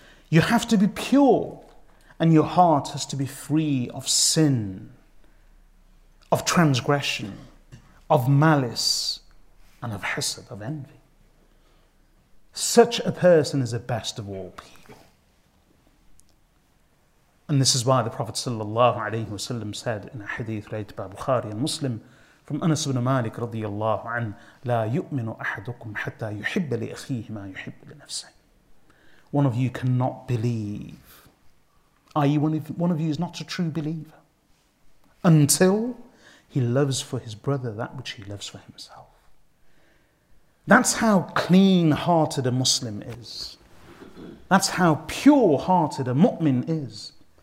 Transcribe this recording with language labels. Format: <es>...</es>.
<en>You have to be pure, and your heart has to be free of sin, of transgression, of malice, and of hasad, of envy. Such a person is the best of all people. And this is why the Prophet ﷺ said in a hadith related by Bukhari and Muslim</en> <ar>From Anas ibn Malik radiyallahu anhu, لا يؤمن أحدكم حتى يحب لأخيه ما يحب لنفسه.</ar> <en>One of you cannot believe, i.e. one of you is not a true believer, until he loves for his brother that which he loves for himself. That's how clean-hearted a Muslim is. That's how pure-hearted a mu'min is.</en>